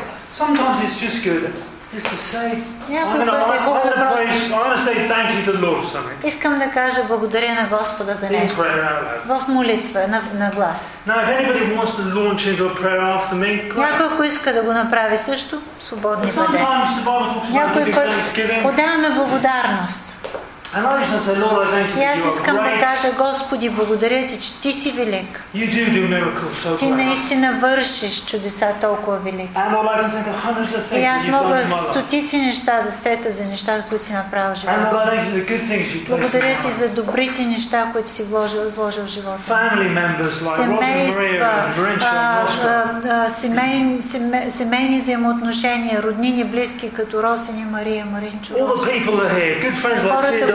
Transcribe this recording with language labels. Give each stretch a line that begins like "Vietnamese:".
English: Sometimes it's just good just to say, I'm going to say thank you to the Lord for something.
Bulgarian: Искам да кажа благодаря на Господа за нещо. В молитва, на глас.
English: Now, if anybody wants to launch into a prayer after me,
Bulgarian: някой иска да го направи също, свободно бъде. Някой път отдаваме благодарност.
English: And I just want to say, Lord, I thank you.
Bulgarian: Аз искам да кажа, Господи, благодаря ти, че ти си велик.
English: You do do miracles so great.
Bulgarian: Ти наистина вършиш чудеса толкова велики.
English: And I'd like to thank the hundreds of things.
Bulgarian: Аз мога стотици неща да сета за нещата, които си направил в живота.
English: And I'd like to thank you for the good things you've done.
Bulgarian: Благодаря ти за добрите неща, които си вложил в живота.
English: Family members like Robin Maria and Richard Moscow.
Bulgarian: Семейни взаимоотношения, роднини, близки като Росен и Мария Маринчо.
English: All the people are here, good friends like Theodora.